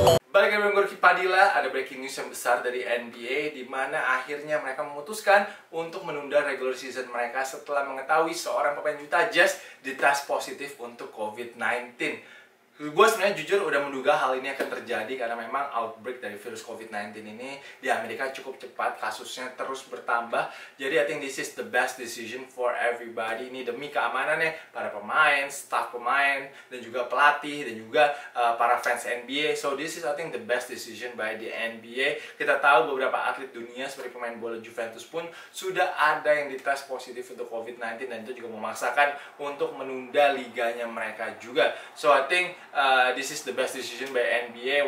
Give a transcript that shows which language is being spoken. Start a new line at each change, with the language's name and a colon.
Indonesian: Balik lagi dengan Ricky Padilla. Ada breaking news yang besar dari NBA, di mana akhirnya mereka memutuskan untuk menunda regular season mereka setelah mengetahui seorang pemain Utah Jazz dites positif untuk COVID-19. Gue sebenarnya jujur udah menduga hal ini akan terjadi karena memang outbreak dari virus COVID-19 ini di Amerika cukup cepat, kasusnya terus bertambah. Jadi
English: I think this is the best decision for everybody.
Indonesian: Ini demi keamanannya para pemain, staff pemain, dan juga pelatih, dan juga para fans NBA.
English: So this is I think the best decision by the NBA.
Indonesian: Kita tahu beberapa atlet dunia seperti pemain bola Juventus pun sudah ada yang dites positif untuk COVID-19 dan itu juga memaksakan untuk menunda liganya mereka juga.
English: So I think this is the best decision by NBA.